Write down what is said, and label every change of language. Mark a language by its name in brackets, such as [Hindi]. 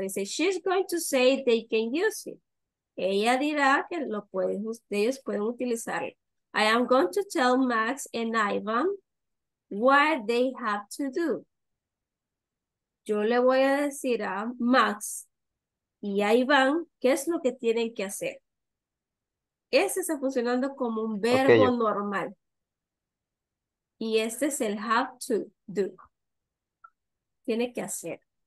[Spanish] Dice, [English] she's going to say they can use it. [Spanish] Ella dirá que lo pueden, ellos pueden utilizarlo. [English] I am going to tell Max and Ivan what they have to do. [Spanish] Yo le voy a decir a Max y a Ivan qué es lo que tienen que hacer. Ese está funcionando como un verbo normal. Y este es el have to do. Tiene que hacer.